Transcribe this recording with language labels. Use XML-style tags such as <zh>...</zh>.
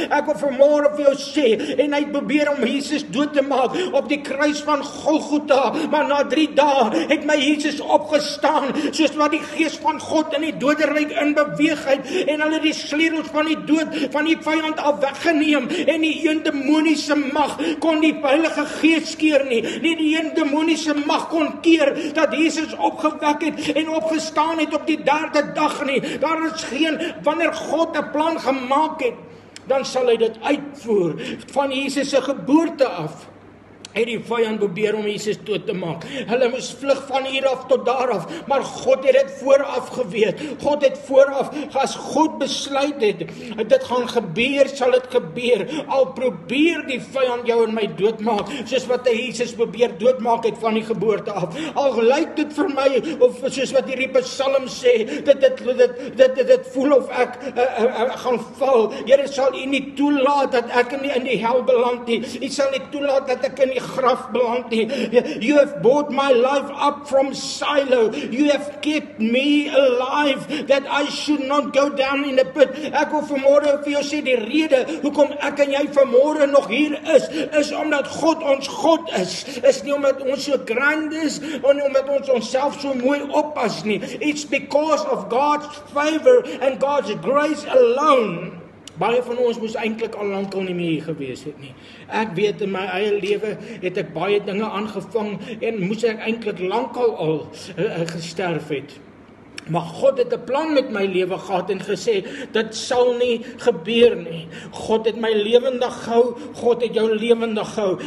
<af>Ek wil vanmôre vir jou sê, en hy het probeer om Jesus dood te maak op die kruis van Golgotha, maar na 3 dae het my Jesus opgestaan, soos wat die gees van God in die doderyk in beweeg het, en hulle die sleutels van die dood van die vyand af weggeneem, en die een demoniese mag kon die Heilige Gees keer nie. Nie die een demoniese mag kon keer dat Jesus opgewek het en opgestaan het op die 3de dag nie. Daar is geen, wanneer God 'n plan gemaak het, dan sal hy dit uitvoer. Van Jesus se geboorte af het die vyand probeer om Jesus dood te maak. Hulle moes vlug van hier af tot daar af, maar God het dit vooraf geweet. God het vooraf, as God besluit het, dit gaan gebeur, sal dit gebeur. Al probeer die vyand jou en my dood maak, soos wat hy Jesus probeer dood maak het van die geboorte af. Al lyk dit vir my, of soos wat hierdie psalm sê, dit voel of ek gaan val. Here, sal u nie toelaat dat ek in die hel beland nie. U sal nie toelaat dat ek in graf beland nie.</af> <en>You have brought my life up from silo. You have kept me alive that I should not go down in a pit.</en> <af>Ek wil vanmôre vir jou sê, die rede hoekom ek en jy vanmôre nog hier is, is omdat God ons God is. Is nie omdat ons so grand is, en omdat ons onsself so mooi oppas nie.</af> <en>It's because of God's favor and God's grace alone.</en> <af>Baie van ons moes eintlik al lank al nie meer hier gewees het nie. Ek weet, in my eie lewe het ek baie dinge aangevang en moes ek eintlik lank al gesterf het. Maar God het 'n plan met my lewe gehad en gesê, dit sal nie gebeur nie. God het my lewendig gehou, God het jou lewendig gehou.</af>